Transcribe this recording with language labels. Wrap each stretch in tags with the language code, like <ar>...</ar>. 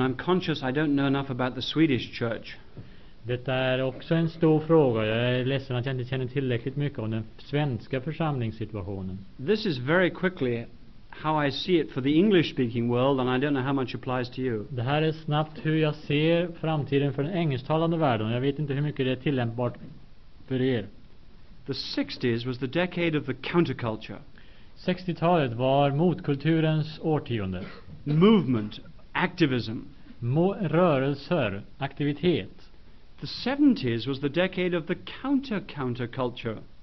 <en>I'm conscious I don't know enough about the Swedish church.</en> <sv>Det är också en stor fråga. Jag är ledsen att jag inte känner tillräckligt mycket om den svenska församlingssituationen.</sv> <en>This is very quickly how I see it for the English-speaking world, and I don't know how much applies to you.</en> <sv>Det här är snabbt hur jag ser framtiden för den engelsktalande världen. Jag vet inte hur mycket det är tillämpbart för er.</sv> <en>The 60s was the decade of the counterculture.</en> <sv>60-talet var motkulturens årtionde.</sv> <en>Movement, activism.</en> <sv>Rörelser, aktivitet.</sv> <en>The 70s was the decade of the counter-counterculture.</en>